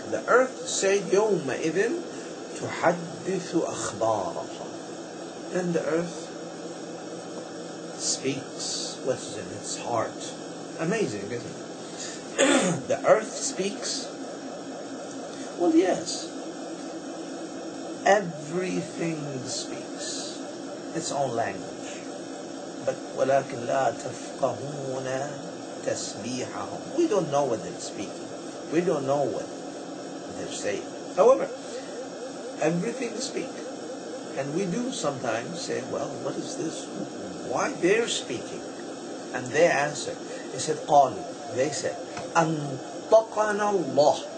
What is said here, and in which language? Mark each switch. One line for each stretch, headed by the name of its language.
English: The earth said,
Arabic: يَوْمَ إِذٍ تُحَدِّثُ أَخْبَارَهَا.
English: Then the earth speaks what is in its heart. Amazing, isn't it? The earth speaks. Well, yes. Everything speaks its own language. But
Arabic: وَلَكِنْ لَا تَفْقَهُونَ تَسْبِيحَهُمْ.
English: We don't know what they're speaking. We don't know what they're saying. However, everything speaks. And we do sometimes say, well, what is this? Why they're speaking? And they answer. They said, قَالُوا. They said,
Arabic: أَنْطَقَنَا اللَّهُ.